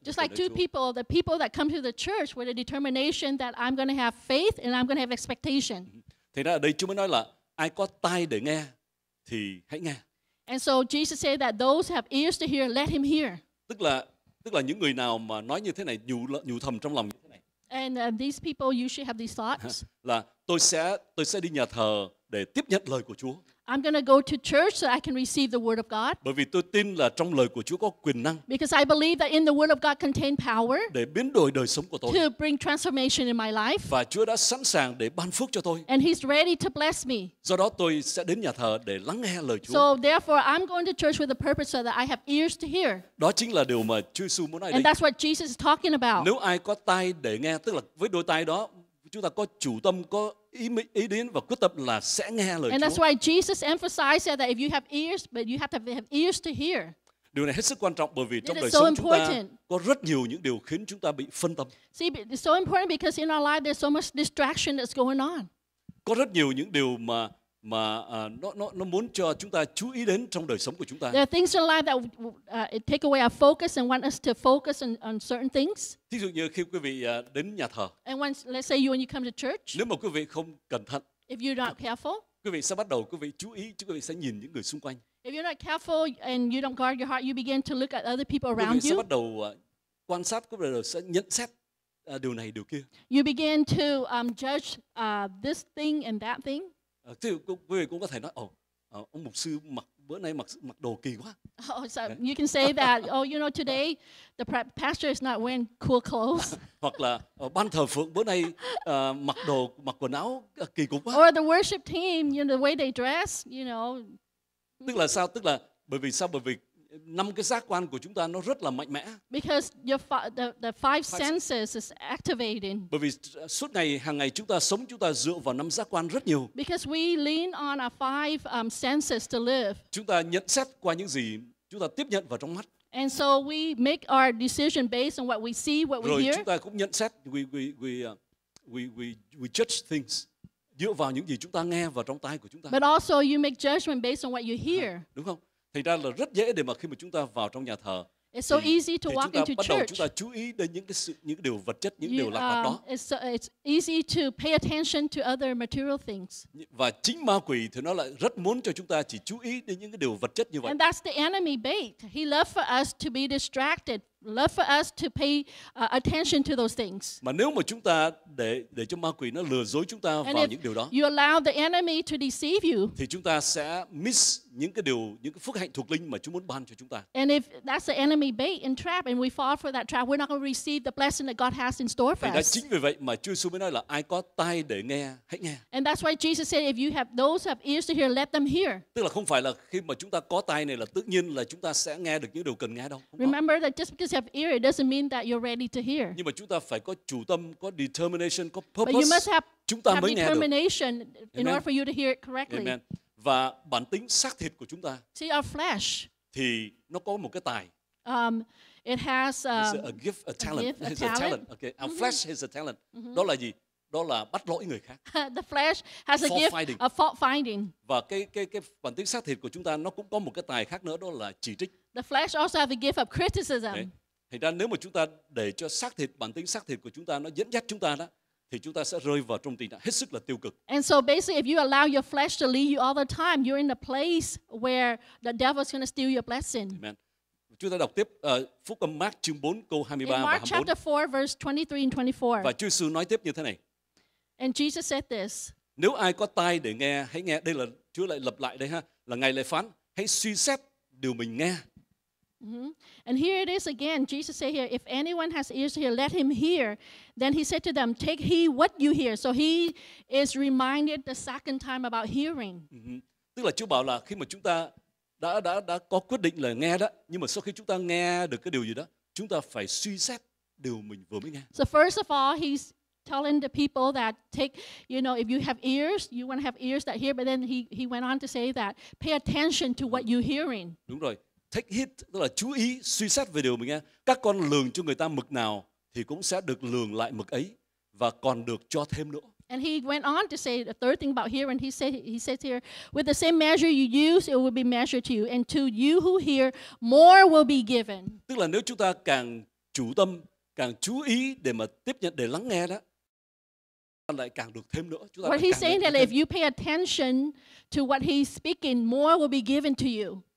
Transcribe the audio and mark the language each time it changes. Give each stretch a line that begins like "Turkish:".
English: Just like two people, the people that come to the church with a determination that I'm going to have faith and I'm going to have expectation.
Vietnamese: Thì ở đây Chúa mới nói là ai có tai để nghe thì hãy nghe.
English: And so Jesus said that those who have ears to hear, let him hear.
Vietnamese: Tức là những người nào mà nói như thế này, nhủ thầm trong lòng như thế này.
English: And these people, you should have these thoughts.
Vietnamese: Là tôi sẽ đi nhà thờ để tiếp nhận lời của Chúa.
English: I'm going to go to church so I can receive the word of God.
Vietnamese: Bởi vì tôi tin là trong lời của Chúa có quyền năng.
English: Because I believe that in the word of God contain power.
Vietnamese: Để biến đổi đời sống của tôi.
English: To bring transformation in my life.
Vietnamese: Và Chúa đã sẵn sàng để ban phước cho tôi.
English: And he's ready to bless me.
Vietnamese: Do đó tôi sẽ đến nhà thờ để lắng nghe lời Chúa.
English: So therefore I'm going to church with the purpose so that I have ears to hear.
Vietnamese: Đó chính là điều mà Chúa Giê-xu muốn nói đây.
English: And that's what Jesus is talking about.
Vietnamese: Nếu ai có tai để nghe, tức là với đôi tai đó chúng ta có chủ tâm, có ý đến và quyết tâm là sẽ nghe lời Chúa.
English: And that's why Jesus emphasized that if you have ears, but you have to have ears to hear.
Vietnamese: Điều này hết sức quan trọng bởi vì trong
English: it
Vietnamese: đời sống
English: so
Vietnamese: chúng ta có rất nhiều những điều khiến chúng ta bị phân tâm.
English: See, it's so important because in our life there's so much distraction that's going on.
Vietnamese: Có rất nhiều những điều mà nó muốn cho chúng ta chú ý đến trong đời sống của chúng ta.
English: There are things in life that it take away our focus and want us to focus on certain things.
Vietnamese: Thí dụ như khi quý vị đến nhà thờ.
English: And let's say when you come to church.
Vietnamese: Nếu mà quý vị không cẩn thận.
English: If you're not careful.
Vietnamese: Quý vị sẽ bắt đầu quý vị chú ý, quý vị sẽ nhìn những người xung quanh.
English: If you're not careful and you don't guard your heart, you begin to look at other people around you.
Vietnamese: Quý vị sẽ bắt đầu quan sát, quý vị sẽ nhận xét điều này điều kia.
English: You begin to judge this thing and that thing.
Vietnamese: Thì quý vị cũng có thể nói, ông mục sư bữa nay mặc đồ kỳ quá.
English: Oh, so you can say that, you know, today the pastor is not wearing cool clothes.
Vietnamese: Hoặc là ban thờ phượng bữa nay mặc quần áo kỳ cục quá.
English: Or the worship team, you know, the way they dress, you know.
Vietnamese: Tức là sao? Tức là bởi vì sao? Bởi vì năm cái giác quan của chúng ta nó rất là mạnh mẽ.
English: Because the five senses is activating.
Vietnamese: Bởi vì suốt ngày hàng ngày chúng ta sống chúng ta dựa vào năm giác quan rất nhiều.
English: Because we lean on our five senses to live.
Vietnamese: Chúng ta nhận xét qua những gì chúng ta tiếp nhận vào trong mắt.
English: And so we make our decision based on what we see, what we hear.
Vietnamese: Rồi chúng ta cũng nhận xét
English: we judge things
Vietnamese: dựa vào những gì chúng ta nghe vào trong tai của chúng ta.
English: But also you make judgment based on what you hear.
Vietnamese: Đúng không? Thì ra là rất dễ để mà khi mà chúng ta vào trong nhà thờ
English: It's so easy to walk into church.
Vietnamese: Chúng ta chú ý đến những cái sự, những điều vật chất, những điều lạc mặt đó.
English: It's easy to pay attention to other material things.
Vietnamese: Và chính ma quỷ thì nó lại rất muốn cho chúng ta chỉ chú ý đến những cái điều vật chất như vậy.
English: And that's the enemy bait. He loves for us to be distracted. Love for us to pay attention to those things.
Vietnamese: Mà nếu mà chúng ta để cho ma quỷ nó lừa dối chúng ta
English: and
Vietnamese: vào những điều đó,
English: you allow the enemy to deceive you,
Vietnamese: thì chúng ta sẽ miss những cái điều, những cái phước hạnh thuộc linh mà Chúa muốn ban cho chúng ta.
English: And if that's the enemy bait and trap, and we fall for that trap, we're not going to receive the blessing that God has in store for us.
Vietnamese: Thì đó chính vì vậy mà Chúa Jesus mới nói là ai có tai để nghe hãy nghe.
English: And that's why Jesus said, if you have those who have ears to hear, let them hear.
Vietnamese: Tức là không phải là khi mà chúng ta có tai này là tự nhiên là chúng ta sẽ nghe được những điều cần nghe đâu.
English: Remember that just because have ear, it doesn't mean that you're ready to hear.
Vietnamese: Nhưng mà chúng ta phải có chủ tâm, có determination, có purpose.
English: But you must have,
Vietnamese: chúng ta
English: have
Vietnamese: mới
English: determination
Vietnamese: nghe được.
English: In order for you to hear it correctly. Amen.
Vietnamese: Và bản tính xác thịt của chúng ta.
English: See our flesh.
Vietnamese: Thì nó có một cái tài.
English: It has a gift, a talent. Okay. Our mm-hmm. flesh has a talent. Mm-hmm.
Vietnamese: Đó là gì? Đó là bắt lỗi người khác.
English: The flesh has fault a gift, finding. A fault finding.
Vietnamese: Và cái bản tính xác thịt của chúng ta nó cũng có một cái tài khác nữa, đó là chỉ trích.
English: The flesh also has a gift of criticism. Okay.
Vietnamese: Thành ra nếu mà chúng ta để cho xác thịt, bản tính xác thịt của chúng ta nó dẫn dắt chúng ta đó, thì chúng ta sẽ rơi vào trong tình trạng hết sức là tiêu cực.
English: And so basically if you allow your flesh to lead you all the time, you're in a place where the devil is going to steal your blessing. Amen.
Vietnamese: Chúng ta đọc tiếp Phúc âm Mark chương 4 câu 23 và
English: 24. In Mark chapter 4 verse 23 and 24.
Vietnamese: Và Chúa Jesus nói tiếp như thế này.
English: And Jesus said this.
Vietnamese: Nếu ai có tai để nghe, hãy nghe. Đây là Chúa lại lặp lại đây ha. Là Ngài lại phán, hãy suy xét điều mình nghe.
English: Mm-hmm. And here it is again. Jesus said here, if anyone has ears to hear, let him hear. Then he said to them, take heed what you hear. So he is reminded the second time about hearing. Mm-hmm.
Vietnamese: Tức là Chúa bảo là khi mà chúng ta đã có quyết định là nghe đó, nhưng mà sau khi chúng ta nghe được cái điều gì đó, chúng ta phải suy xét điều mình vừa mới nghe.
English: So first of all, he's telling the people that take, you know, if you have ears, you want to have ears that hear. But then he went on to say that pay attention to what you're hearing.
Vietnamese: Đúng rồi.
English: Take heed,
Vietnamese: tức là chú ý, suy xét về điều mình nghe. Các con lường cho người ta mực nào thì cũng sẽ được lường lại mực ấy và còn được cho thêm nữa.
English: And he went on to say the third thing about hearing. He says here, with the same measure you use, it will be measured to you. And to you who hear, more will be given.
Vietnamese: Tức là nếu chúng ta càng chủ tâm, càng chú ý để mà tiếp nhận, để lắng nghe đó, lại càng được thêm nữa.
English: What he's saying that if you pay attention to what he's speaking, more will be given to you.